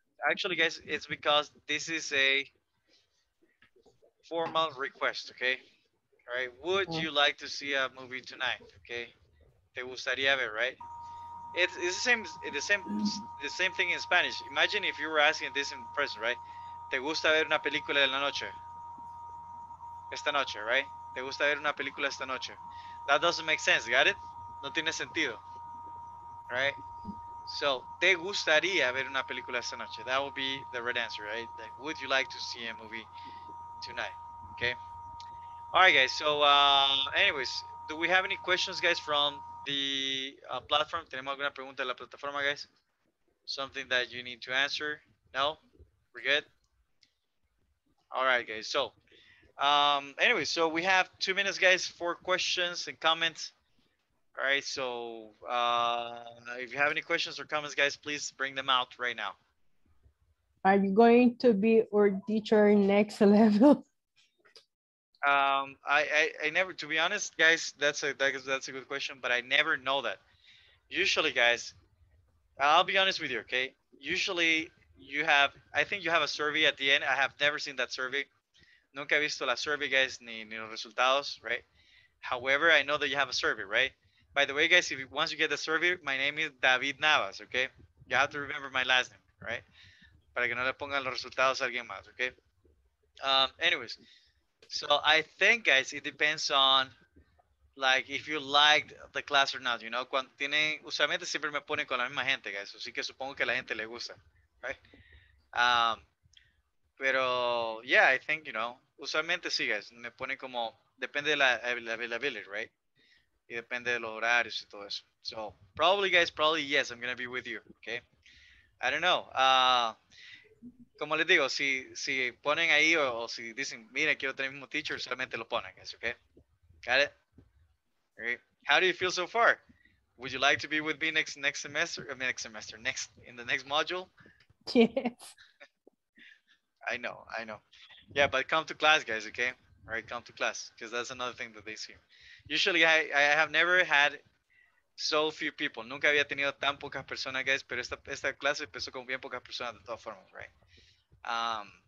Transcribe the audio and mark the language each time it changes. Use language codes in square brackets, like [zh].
[en] Actually, guys, it's because this is a formal request, okay? All right, would you like to see a movie tonight? Okay, [es] te gustaría ver, [en] right? It's the same thing in Spanish. Imagine if you were asking this in person, right? [es] Te gusta ver una película de la noche? Esta noche, right? Te gusta ver una película esta noche? [en] That doesn't make sense, got it? [es] No tiene sentido, right? So, te gustaría ver una película esta noche? [en] That would be the right answer, right? Like, would you like to see a movie tonight? Okay. All right, guys. So, anyways, do we have any questions, guys, from the platform? [es] ¿Tenemos alguna pregunta de la plataforma, guys? [en] Something that you need to answer? No? We're good? All right, guys. So, anyways, so we have 2 minutes, guys, for questions and comments. All right. So, if you have any questions or comments, guys, please bring them out right now. Are you going to be our teacher next level? I never, to be honest, guys, that's a good question, but I never know that. Usually, guys, I'll be honest with you, okay? Usually, I think you have a survey at the end. I have never seen that survey. [es] Nunca he visto la survey, guys, ni los resultados, right? [en] However, I know that you have a survey, right? By the way, guys, once you get the survey, my name is David Navas, okay? You have to remember my last name, right? [es] Para que no le pongan los resultados a alguien más, okay? [en] Anyways. So I think, guys, it depends on, like, if you liked the class or not, you know? [es] Cuando tienen, usualmente siempre me ponen con la misma gente, guys. Así que supongo que la gente le gusta, right? Pero, [en] yeah, I think, you know, [es] usualmente sí, guys. Me ponen como, depende de la availability, right? Y depende de los horarios y todo eso. [en] So probably, guys, probably, yes, I'm going to be with you, okay? I don't know. [es] Como les digo, si ponen ahí o si dicen, mira, quiero tener el mismo teacher, solamente lo ponen, guys, okay? [en] Got it? All right. How do you feel so far? Would you like to be with me next semester? I mean, next module? Yes. I know. Yeah, but come to class, guys, okay? All right, come to class, because that's another thing that they see. Usually, I have never had so few people. [es] Nunca había tenido tan pocas personas, guys, pero esta clase empezó con bien pocas personas de todas formas, right?